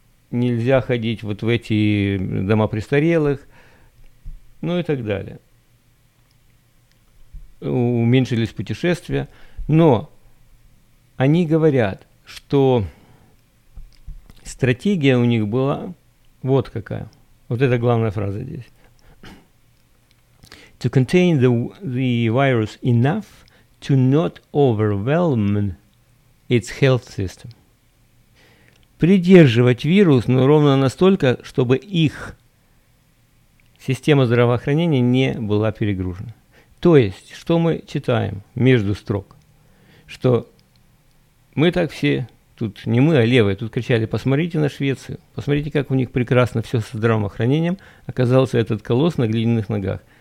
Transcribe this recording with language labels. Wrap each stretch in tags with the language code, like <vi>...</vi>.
<ru>Нельзя ходить вот в эти дома престарелых. Ну и так далее. Уменьшились путешествия. Но они говорят, что стратегия у них была вот какая. Вот это главная фраза здесь.</ru> <en>To contain the virus enough to not overwhelm its health system.</en> <ru>Придерживать вирус, но ровно настолько, чтобы их система здравоохранения не была перегружена. То есть, что мы читаем между строк? Что мы так все, тут не мы, а левые, тут кричали, посмотрите на Швецию, посмотрите, как у них прекрасно все со здравоохранением, оказался этот колосс на глиняных ногах.</ru>